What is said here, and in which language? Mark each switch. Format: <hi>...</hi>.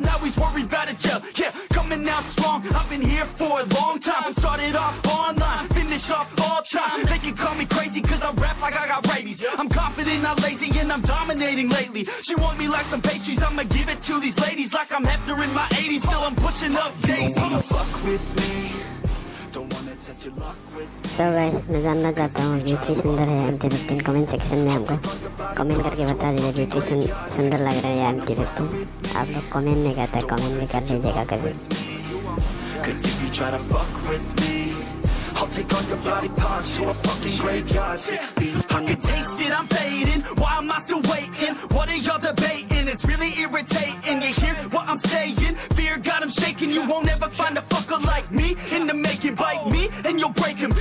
<en>Now he's worried about a jail. Yeah, coming out strong. I've been here for a long time. Started off online, finish off all time. They can call me crazy cause I rap like I got rabies. I'm confident, not lazy, and I'm dominating lately. She want me like some pastries, I'ma give it to these ladies. Like I'm Hector in my 80s, still I'm pushing up daisies. Don't wanna fuck with me.</en> <hi>So guys, मैं जानना चाहता हूँ व्यूट्री सुंदर है MT-15. Comment section में आपको comment करके बता दीजिए व्यूट्री सुंदर लग रहा है या MT-15. आप लोग कमेंट में कहते हैं, कमेंट भी कर दीजिएगा कभी.</hi> <en>I'll take all your body parts to a fucking graveyard. 6 feet. I can taste it, I'm fading. Why am I still waiting? What are y'all debating? It's really irritating. You hear what I'm saying? Fear got him shaking. You won't ever find a fucker like me in the making. Bite me and you'll break him.</en>